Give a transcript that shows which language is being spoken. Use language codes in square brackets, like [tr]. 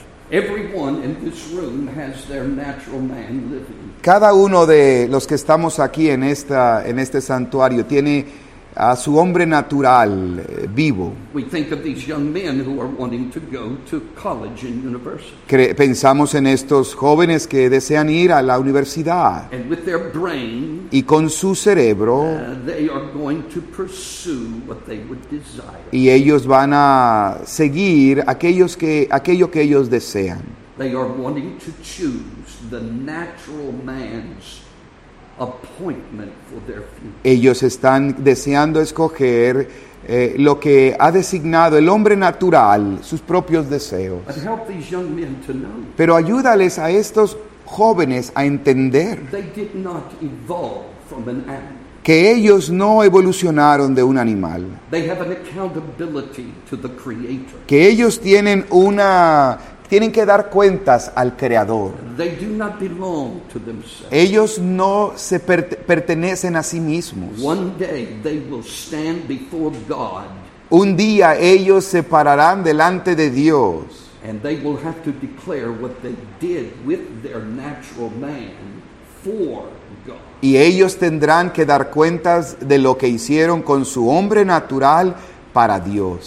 [en] Everyone in this room has their natural man living. [es] Cada uno de los que estamos aquí en este santuario tiene a su hombre natural vivo. [en] We think of these young men who are wanting to go to college and university. [es] Pensamos en estos jóvenes que desean ir a la universidad. [en] And with their brain, [es] y con su cerebro, [en] they are going to pursue what they would desire. [es] Y ellos van a seguir aquello que ellos desean. [en] They are wanting to choose the natural man's appointment for their future. [es] Ellos están deseando escoger lo que ha designado el hombre natural, sus propios deseos. [en] But help these young men to know. [es] Pero ayúdales a estos jóvenes a entender [en] they did not evolve from an animal. [es] Que ellos no evolucionaron de un animal. [en] They have an accountability to the creator. [es] Que ellos tienen que dar cuentas al Creador. [en] They do not belong to themselves. [es] Ellos no se pertenecen a sí mismos. [en] One day they will stand before God. [es] Un día ellos se pararán delante de Dios. [en] And they will have to declare what they did with their natural man for God. [es] Y ellos tendrán que dar cuentas de lo que hicieron con su hombre natural para Dios.